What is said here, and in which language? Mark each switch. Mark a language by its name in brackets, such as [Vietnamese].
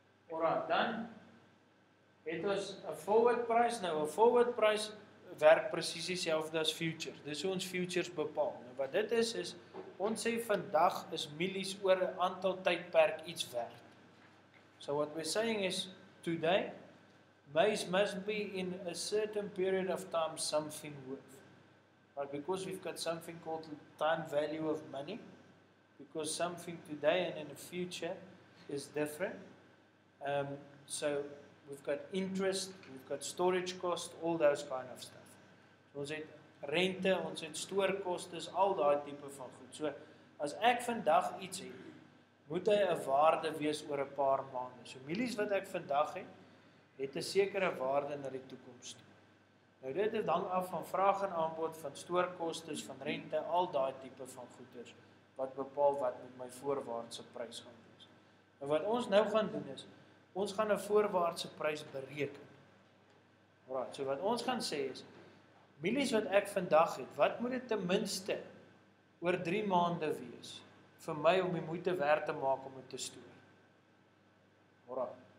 [Afrikaans] Alright, dan het ons 'n forward price. Nou, 'n forward price werk precies dieselfde as future. Dis hoe ons futures bepaal. Nou, wat dit is, is ons sê vandag is milies oor 'n aantal tydperk iets werd. [English] So what we're saying is, today, maize must be in a certain period of time something worth. But because we've got something called the time value of money, because something today and in the future is different, so we've got interest, we've got storage cost, all those kind of stuff. [Afrikaans] Ons het rente, ons het stoorkostes, al daai tipe van goed. So as ek vandag iets het, moet hy 'n waarde wees oor 'n paar maande. So milies wat ek vandag het, het 'n sekere waarde na die toekoms toe. Nou dit het dan af van vraag en aanbod, van stoorkostes, van rente, al daai tipe van goeders, wat bepaal wat met my voorwaartse prys gaan wees. En wat ons nou gaan doen is, ons gaan 'n voorwaartse prys bereken. Right, so wat ons gaan sê is, milies wat ek vandag het, wat moet dit ten minste oor 3 maande wees, vir my om die moeite werd te maak om dit te stoor? Right.